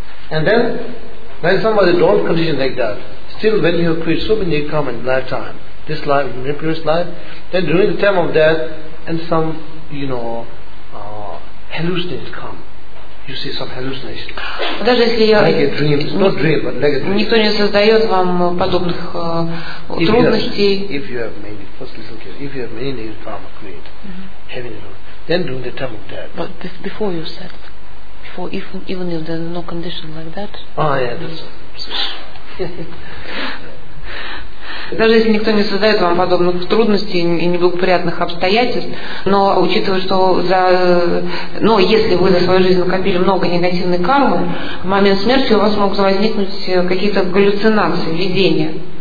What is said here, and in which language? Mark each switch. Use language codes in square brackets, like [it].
[en] And then, when somebody don't condition like that, still when you create so many karma in lifetime, this life, in the previous life, then during the time of death, and some, you know, hallucinations come. You see some hallucinations. [ru] Даже если я [en] like a dream, not dream, but like a dream. [ru] Никто не создает вам подобных трудностей. [en] If you have many, first listen carefully. If you have many negative karma created, heaven and earth, then during the time of death. But before you said, before even if there is no condition like that. [ru] Даже если никто не создает вам подобных трудностей и неблагоприятных обстоятельств, но учитывая, что но если вы за свою жизнь накопили много негативной кармы, в момент смерти у вас могут возникнуть какие-то галлюцинации, видения,